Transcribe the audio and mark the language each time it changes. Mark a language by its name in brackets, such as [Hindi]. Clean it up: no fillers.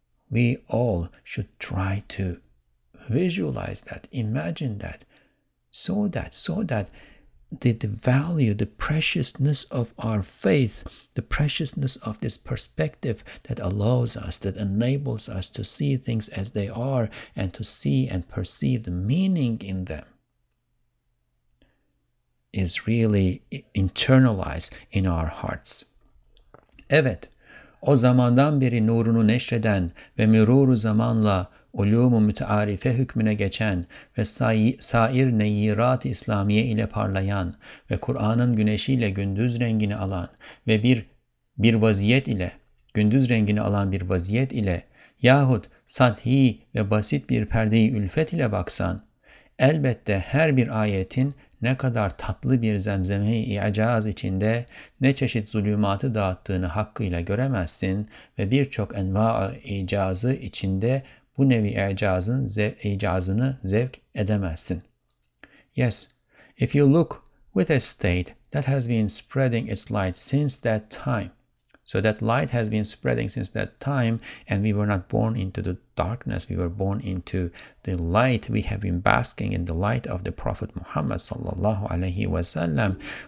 [English] We all should try to visualize that, imagine that, so that the value, the preciousness of our faith, the preciousness of this perspective that allows us, that enables us to see things as they are and to see and perceive the meaning in them, is really internalized in our hearts. [Turkish] Evet, o zamandan beri nurunu neşreden ve mürur-u zamanla ulûm-u müteârife hükmüne geçen ve sair neyirat-ı İslamiye ile parlayan ve Kur'an'ın güneşiyle gündüz rengini alan ve bir bir vaziyet ile, gündüz rengini alan bir vaziyet ile yahut sathi ve basit bir perde-i ülfet ile baksan, elbette her bir ayetin ne kadar tatlı bir zemzeme-i i'caz içinde ne çeşit zulümatı dağıttığını hakkıyla göremezsin ve birçok enva-ı i'cazı içinde bu nevi i'cazını zevk edemezsin. [English] Yes, if you look with a state that has been spreading its light since that time, so that light has been spreading since that time, and we were not born into the darkness, we were born into the light, we have been basking in the light of the Prophet Muhammad sallallahu alaihi wasallam.